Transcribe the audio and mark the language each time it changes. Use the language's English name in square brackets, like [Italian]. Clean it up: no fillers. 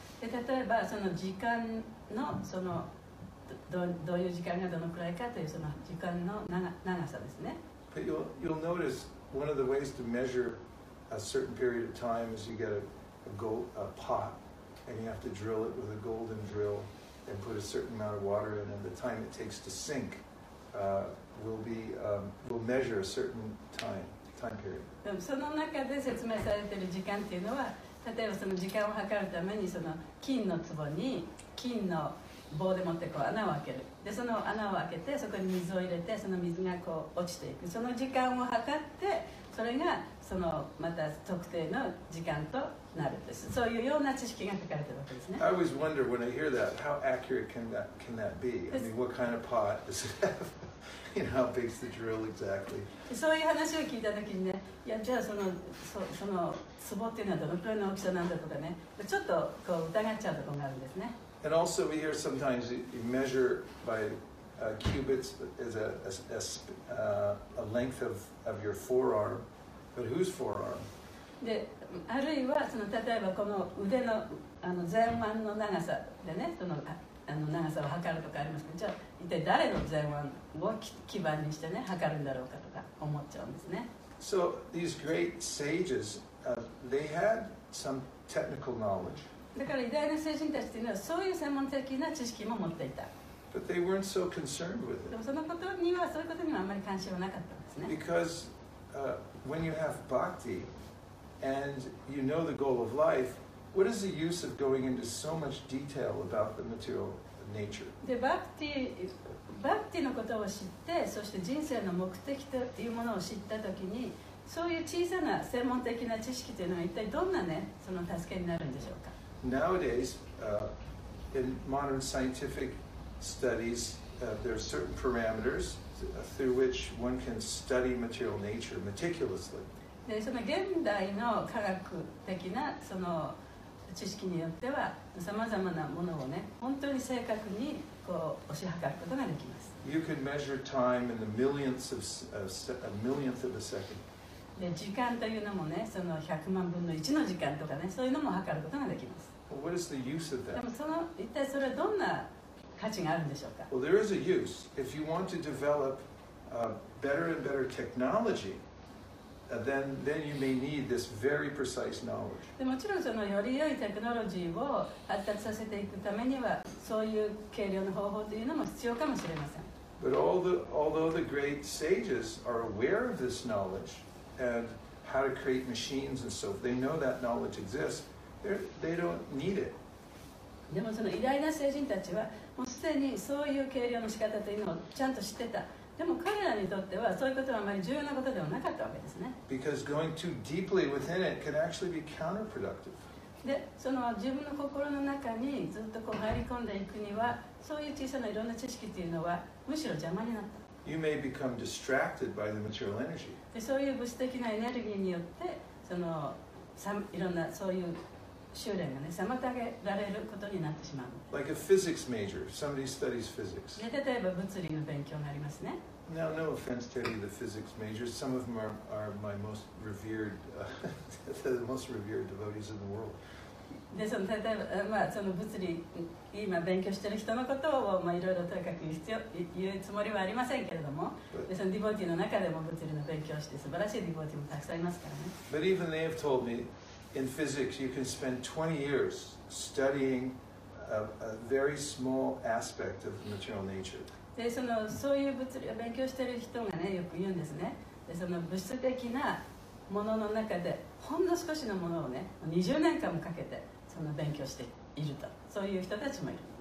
[Japanese] で例えばその時間のそのどういう時間がどのくらいかというその時間の 長さですね。 [English] But you'll notice one of the ways to measure a certain period of time is you get a pot and you have to drill it with a golden drill and put a certain amount of water in, and the time it takes to sink will measure a certain time period. [Japanese] その中で説明されている時間というのは、例えばその時間を測るためにその金の壺に金の棒で持ってこう穴を開ける。でその穴を開けてそこに水を入れてその水がこう落ちていく。その時間を測ってそれがそのまた特定の時間となるんです。そういうような知識が書かれているわけですね。 [English] I always wonder when I hear that, how accurate can that be? I mean, what kind of pot does it have? You know, how big's the drill exactly? [Japanese] そういう話を聞いたときにね、いやじゃあその壺っていうのはどのくらいの大きさなんだとかね、ちょっとこう疑っちゃうところがあるんですね。 [English] And also we hear sometimes you measure by cubits as a length of your forearm, but whose forearm? [Japanese] で、あるいはその例えばこの腕のあの前腕の長さでね、そのあの長さを測るとかありますけど、じゃあ一体誰の前腕を基盤にしてね測るんだろうかとか思っちゃうんですね。 [English] So these great sages, they had some technical knowledge. [Japanese] だから偉大な聖人たちというのはそういう専門的な知識も持っていた。 [English] But they weren't so concerned with it. [Japanese] でもそのことにはそういうことにはあまり関心はなかったんですね。 [English] Because when you have bhakti and you know the goal of life, what is the use of going into so much detail about the material nature? [Japanese] で、bhakti のことを知って、そして人生の目的というものを知ったときに、そういう小さな専門的な知識というのは一体どんなね、その助けになるんでしょうか。 [English] Nowadays, in modern scientific studies, there are certain parameters through which one can study material nature meticulously. [Japanese] で、その現代の科学的なその知識によっては、さまざまなものをね、本当に正確にこう推し量ることができます。 [English] You can measure time in the millionths of a millionth of a second. [Japanese] で時間というのもね、その100万分の1の時間とかね、そういうのも測ることができます。 [English] Well, what is the use of that? [Japanese] でもその一体それはどんな価値があるんでしょうか。 [English] Well, there is a use. If you want to develop better and better technology, then you may need this very precise knowledge. [Japanese] でもちろんそのより良いテクノロジーを発達させていくためには、そういう計量の方法というのも必要かもしれません。 [English] But although the great sages are aware of this knowledge,and how to create machines and so if they know that knowledge exists, they don't need it. [Japanese] でもその偉大な聖人たちはもうすでにそういう計量の仕方というのをちゃんと知ってた。でも彼らにとってはそういうことはあまり重要なことではなかったわけですね。 [English] Because going too deeply within it can actually be counterproductive. [Japanese] で、その自分の心の中にずっとこう入り込んでいくには、そういう小さないろんな知識というのはむしろ邪魔になった。 [English] You may become distracted by the material energy. [Japanese] でそういう物質的なエネルギーによってそのいろんなそういう修練がね妨げられることになってしまう。 [English] Like a physics major, somebody studies physics. [Japanese] で例えば物理の勉強がありますね。 [English] Now, no offense to any of the physics majors. Some of them are my most revered, the most revered devotees in the world. [Japanese] でその例えば、まあ、その物理今勉強している人のことをいろいろとにかく言うつもりはありませんけれども、でそのディボーティーの中でも物理の勉強して素晴らしいディボーティーもたくさんいますからね。 [English] But even they have told me in physics you can spend 20 years studying a very small aspect of material nature. [Japanese] でそのそういう物理を勉強している人がねよく言うんですね。でその物質的なものの中でほんの少しのものをね20年間もかけてその勉強しているとそういう人たちもいる。